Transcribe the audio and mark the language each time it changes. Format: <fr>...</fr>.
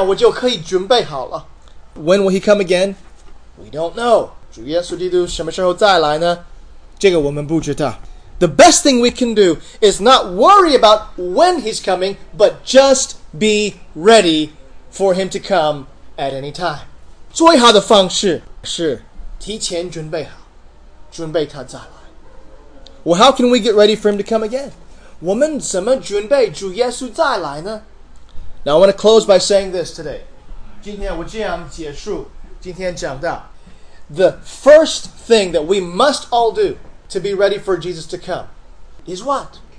<zh>就是他再来以后，我们就认为，哦，我希望我知道他要来，这样我就可以准备好了。When</zh> <en>will He come again? We don't know.</en> <zh>主耶稣基督什么时候再来呢？这个我们不知道。The</zh> <en>best thing we can do is not worry about when He's coming, but just be ready for Him to come at any time.</en> <zh>最好的方式是提前准备好，准备他再来。</zh> <en>Well, how can we get ready for Him to come again?</en> <zh>我们怎么准备主耶稣再来呢?</zh> <en>Now, I want to close by saying this today.</en> <zh>今天我这样结束今天讲到,</zh> <en>the first thing that we must all do to be ready for Jesus to come is what?</en>